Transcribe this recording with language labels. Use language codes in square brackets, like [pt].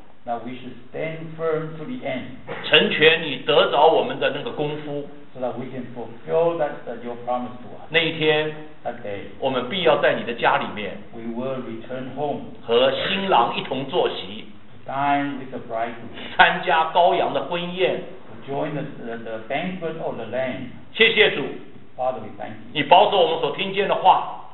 [en] Now we should stand firm to the end. [zh] 成全你得着我们的那个功夫。 [en] So that we can fulfill that, that your promise to us. [zh] 那一天 [en] that day, [zh] 我们必要在你的家里面 [en] we will return home, [zh] 和新郎一同坐席 [en] dine with the bridegroom, [zh] 参加羔羊的婚宴 [en] join the banquet of the lamb. [zh] 谢谢主 [en] Father, we thank you. [zh] 你保守我们所听见的话